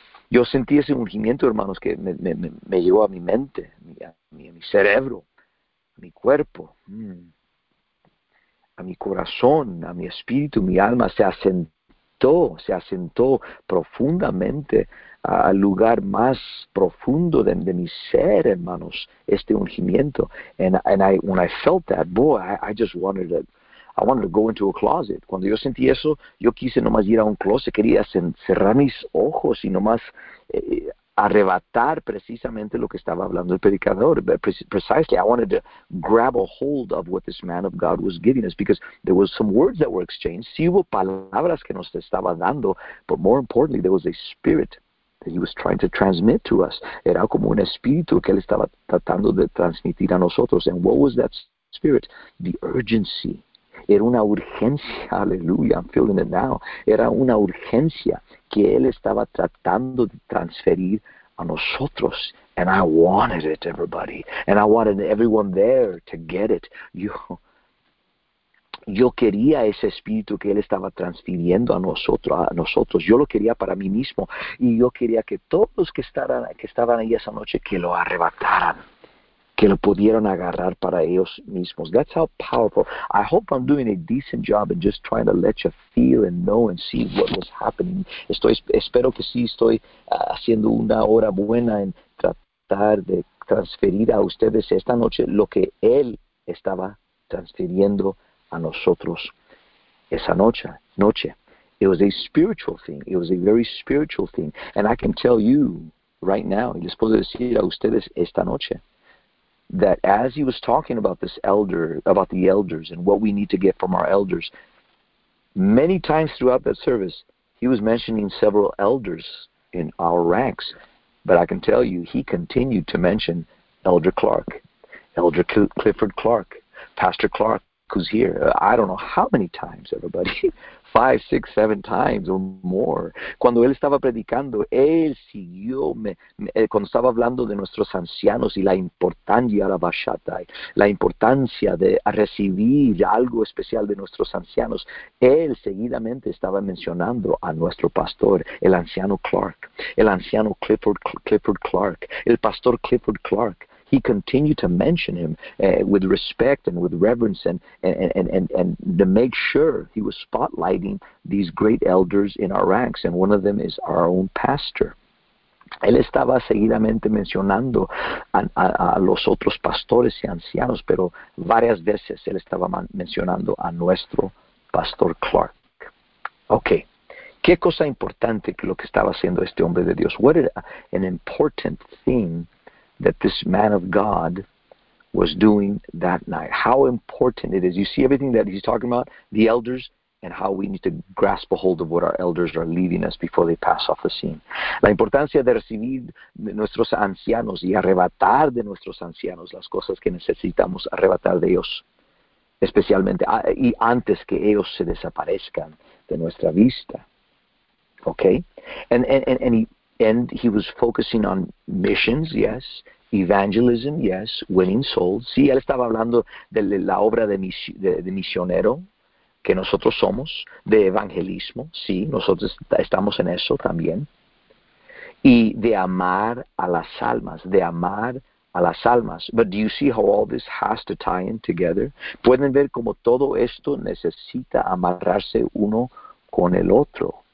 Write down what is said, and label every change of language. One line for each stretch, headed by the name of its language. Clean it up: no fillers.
Spanish: Yo sentí ese ungimiento, hermanos, que me llevó a mi mente, a mi cerebro, a mi cuerpo, a mi corazón, a mi espíritu, mi alma. Se asentó profundamente al lugar más profundo de mi ser, hermanos, este ungimiento.
English: And when I felt that, boy, I wanted to go into a closet.
Spanish: Cuando yo sentí eso, yo quise nomás ir a un closet. Quería cerrar mis ojos y nomás arrebatar precisamente lo que estaba hablando el predicador.
English: But precisely, I wanted to grab a hold of what this man of God was giving us, because there was some words that were exchanged.
Spanish: Sí hubo palabras que nos estaba dando,
English: but more importantly, there was a spirit that he was trying to transmit to us.
Spanish: Era como un espíritu que él estaba tratando de transmitir a nosotros.
English: And what was that spirit? The urgency.
Spanish: Era una urgencia, aleluya,
English: I'm feeling it now.
Spanish: Era una urgencia que él estaba tratando de transferir a nosotros.
English: And I wanted it, everybody. And I wanted everyone there to get it.
Spanish: Yo quería ese espíritu que él estaba transfiriendo a nosotros. Yo lo quería para mí mismo. Y yo quería que todos los que estaban ahí esa noche, que lo arrebataran. Que lo pudieron agarrar para ellos mismos.
English: That's how powerful. I hope I'm doing a decent job in just trying to let you feel and know and see what was happening.
Spanish: Espero que sí estoy haciendo una hora buena en tratar de transferir a ustedes esta noche lo que él estaba transfiriendo a nosotros esa noche.
English: It was a spiritual thing. It was a very spiritual thing. And I can tell you right now,
Spanish: y les puedo decir a ustedes esta noche,
English: that as he was talking about this elder, about the elders and what we need to get from our elders, many times throughout that service, he was mentioning several elders in our ranks. But I can tell you, he continued to mention Elder Clark, Elder Clifford Clark, Pastor Clark, who's here. I don't know how many times, everybody. 5, 6, 7 times or more.
Spanish: Cuando él estaba predicando, él siguió, cuando estaba hablando de nuestros ancianos y la importancia de la bachata, la importancia de recibir algo especial de nuestros ancianos, él seguidamente estaba mencionando a nuestro pastor, el anciano Clark, el anciano Clifford Clark, el pastor Clifford Clark.
English: He continued to mention him with respect and with reverence, and to make sure he was spotlighting these great elders in our ranks, and one of them is our own pastor.
Spanish: Él estaba seguidamente mencionando a los otros pastores y ancianos, pero varias veces él estaba mencionando a nuestro pastor Clark. Okay. ¿Qué cosa importante lo que estaba haciendo este hombre de Dios?
English: What an important thing that this man of God was doing that night. How important it is. You see everything that he's talking about, the elders, and how we need to grasp a hold of what our elders are leaving us before they pass off the scene.
Spanish: La importancia de recibir de nuestros ancianos y arrebatar de nuestros ancianos las cosas que necesitamos arrebatar de ellos, especialmente, y antes que ellos se desaparezcan de nuestra vista. Okay?
English: And he was focusing on missions, yes, evangelism, yes, winning souls.
Spanish: Sí, él estaba hablando de la obra de misionero que nosotros somos, de evangelismo, sí, nosotros estamos en eso también. Y de amar a las almas, de amar a las almas.
English: But do you see how all this has to tie in together?
Spanish: ¿Pueden ver cómo todo esto necesita amarrarse uno con el otro?